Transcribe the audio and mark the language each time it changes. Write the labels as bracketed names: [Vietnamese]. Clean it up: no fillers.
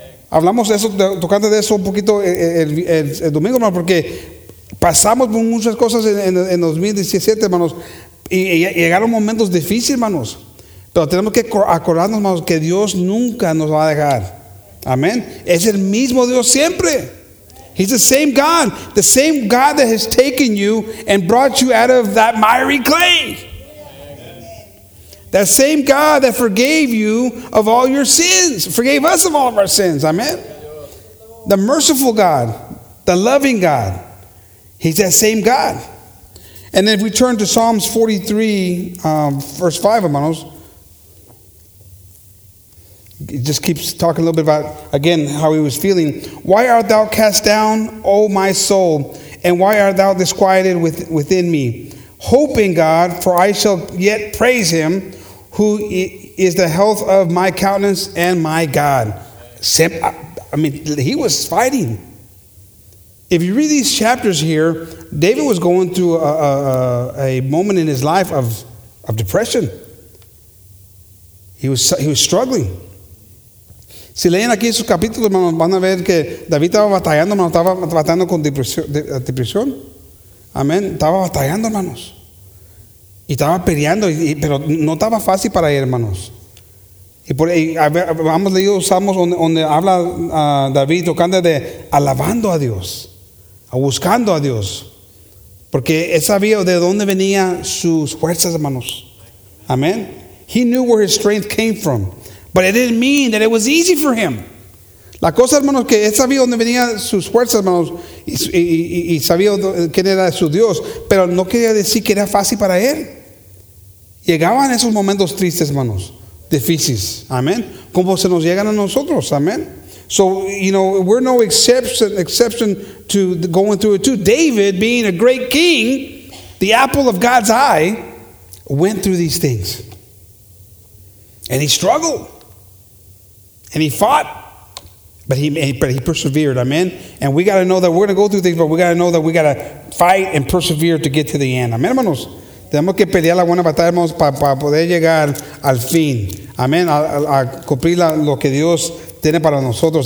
[Spanish] Hablamos eso, tocando de eso un poquito el domingo, hermanos, porque pasamos por muchas cosas en 2017, hermanos. Y llegaron momentos difíciles, hermanos. Pero tenemos que acordarnos, hermanos, que Dios nunca nos va a dejar. Amén. Es el mismo Dios siempre. [English] He's the same God that has taken you and brought you out of that miry clay. That same God that forgave you of all your sins, forgave us of all of our sins. Amen. The merciful God, the loving God, he's that same God. And then if we turn to Psalms 43, verse 5, hermanos, it just keeps talking a little bit about, again, how he was feeling. Why art thou cast down, O my soul? And why art thou disquieted within me? Hope in God, for I shall yet praise him, who is the health of my countenance and my God. He was fighting. If you read these chapters here, David was going through a moment in his life of depression. He was struggling. [Spanish] Si leen aquí esos capítulos, hermanos, van a ver que David estaba batallando, hermanos, estaba batallando con depresión. Amén. Estaba batallando, hermanos. Y estaba peleando, pero no estaba fácil para él, hermanos. Hemos leído Salmos donde habla David tocando de alabando a Dios, buscando a Dios. Porque él sabía de dónde venían sus fuerzas, hermanos. [English] Amén. He knew where his strength came from. But it didn't mean that it was easy for him. [Spanish] La cosa, hermanos, que él sabía dónde venían sus fuerzas, hermanos, y sabía quién era su Dios, pero no quería decir que era fácil para él. Llegaban esos momentos tristes, hermanos, difíciles, amén, como se nos llegan a nosotros, amén. [English] So, you know, we're no exception to going through it too. David, being a great king, the apple of God's eye, went through these things. And he struggled. And he fought, but he persevered, amen? And we got to know that we're going to go through things, but we got to know that we got to fight and persevere to get to the end. [Spanish] Amen, hermanos? Tenemos que pelear la buena batalla, hermanos, para poder llegar al fin. Amen? A cumplir lo que Dios tiene para nosotros.